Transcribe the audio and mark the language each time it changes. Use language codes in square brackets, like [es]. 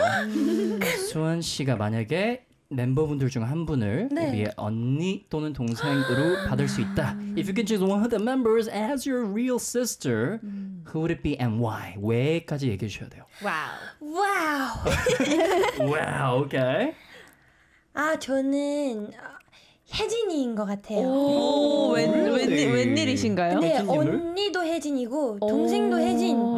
[ko] 수원 씨가 만약에 멤버분들 중 한 분을 네. 우리의 언니 또는 동생으로 받을 수 있다. [en] If you can choose one of the members as your real sister, who would it be and why? [ko] 왜까지 얘기해 주셔야 돼요. 와우. 와우, 오케이. 아, 저는 혜진이인 것 같아요. 오, 웬일이신가요? 네, 언니도 혜진이고 동생도 혜진.